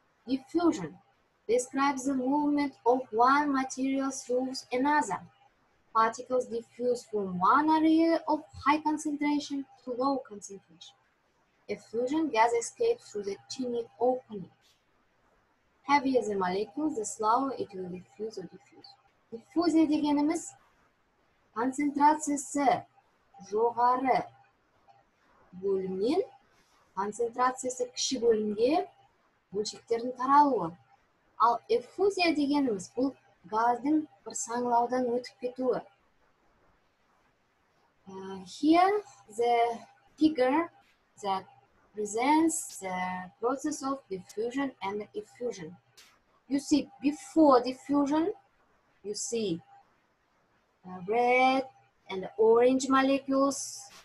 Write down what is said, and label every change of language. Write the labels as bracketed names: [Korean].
[English] Diffusion describes the movement of one material through another. Particles diffuse from one area of high concentration to low concentration. effusion gas escapes through the chimney opening. Heavier the molecules, the slower it will diffuse or diffuse. [Kazakh] Diffuse дегеніміз концентрациясы жоғары бөлімнен концентрациясы кіші бөлімге бөлшектердің таралуы. Ал эффузия дегеніміз бұл газдың бір саңылаудан өтіп кетуі. [English] Here the figure that presents the process of diffusion and effusion. You see, before diffusion, you see red and orange molecules.